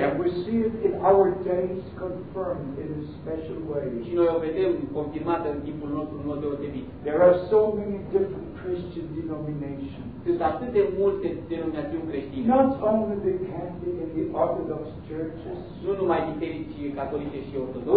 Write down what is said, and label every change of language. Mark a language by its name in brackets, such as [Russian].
[English] And we see it in our days confirmed in a special way. [Romanian] Și noi o vedem confirmată în timpul nostru în mod deosebit. [English] There are so many different Christian denominations. [Romanian] Sunt atât de multe denominațiuni creștine. [English] Not only the Catholic and the Orthodox churches. [Romanian] Nu numai bisericii catolice și ortodoxe.